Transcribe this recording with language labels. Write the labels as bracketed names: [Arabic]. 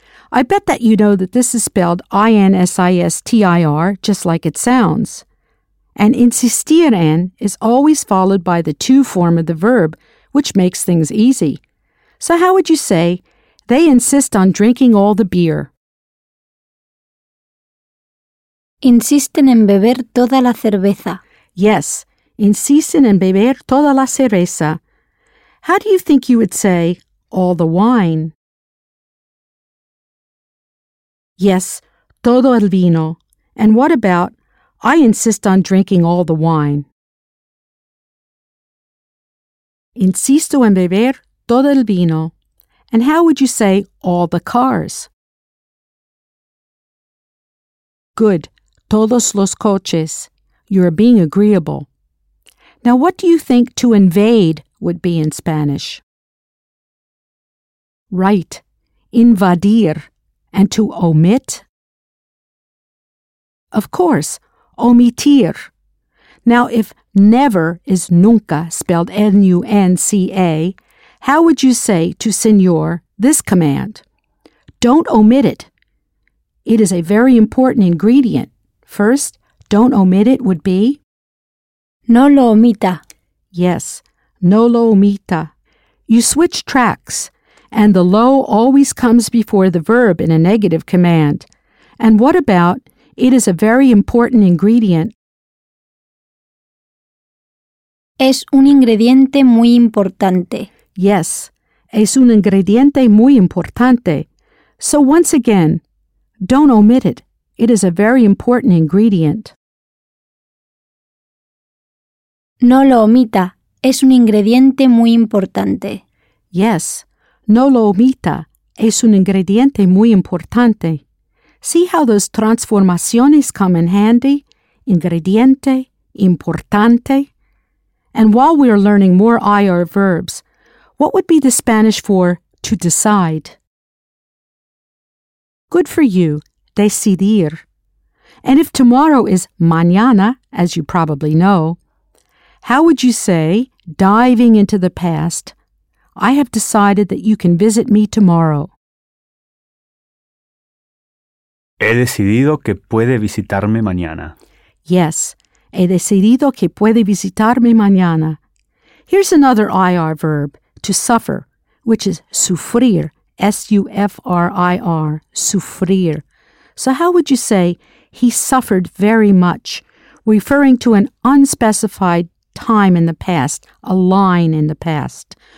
[English] I bet that you know that this is spelled I-N-S-I-S-T-I-R, just like it sounds. And insistir en is always followed by the to form of the verb, which makes things easy. So how would you say, they insist on drinking all the beer? [Spanish] Insisten en beber toda la cerveza. Yes, insisten en beber toda la cerveza. [English] How do you think you would say, all the wine? Yes, [Spanish] todo el vino. [English] And what about, I insist on drinking all the wine. [Spanish] Insisto en beber todo el vino. [English] And how would you say, all the cars? Good, [Spanish] todos los coches. [English] You're being agreeable. Now, what do you think to invade would be in Spanish? Right. Invadir. And to omit? Of course. Omitir. Now, if never is nunca, spelled N-U-N-C-A, how would you say to señor this command? Don't omit it. It is a very important ingredient. First, don't omit it would be? [Spanish] No lo omita. Yes. No lo omita. [English] You switch tracks, and the lo always comes before the verb in a negative command. And what about, it is a very important ingredient? [Spanish] Es un ingrediente muy importante. Yes, es un ingrediente muy importante. [English] So once again, don't omit it. It is a very important ingredient. [Spanish] No lo omita. Es un ingrediente muy importante. Yes, no lo omita. Es un ingrediente muy importante. [English] See how those transformaciones come in handy? Ingrediente, importante. And while we are learning more IR verbs, What would be the Spanish for to decide? Good for you, decidir. And if tomorrow is mañana, as you probably know, how would you say, diving into the past, I have decided that you can visit me tomorrow? [Spanish] He decidido que puede visitarme mañana. Yes, he decidido que puede visitarme mañana. [English] Here's another IR verb, to suffer, which is sufrir, S-U-F-R-I-R, sufrir. So how would you say, he suffered very much, referring to an unspecified time in the past, a line in the past?